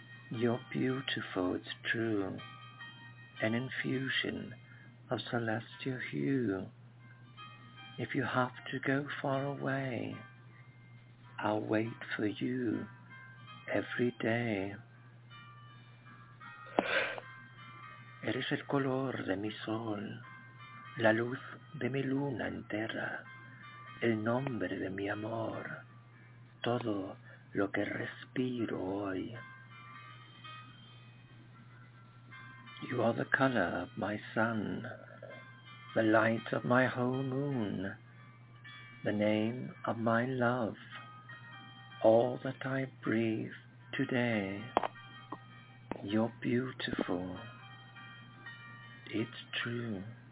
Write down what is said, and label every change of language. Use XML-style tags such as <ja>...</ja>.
<en>You're beautiful, it's true, an infusion of celestial hue. If you have to go far away, I'll wait for you every day.</en> <es>Eres el color de mi sol, la luz de mi luna entera, el nombre de mi amor, todo lo que respiro hoy.</es> <en>You are the color of my sun, the light of my whole moon, the name of my love, all that I breathe today. You're beautiful. It's true.</en>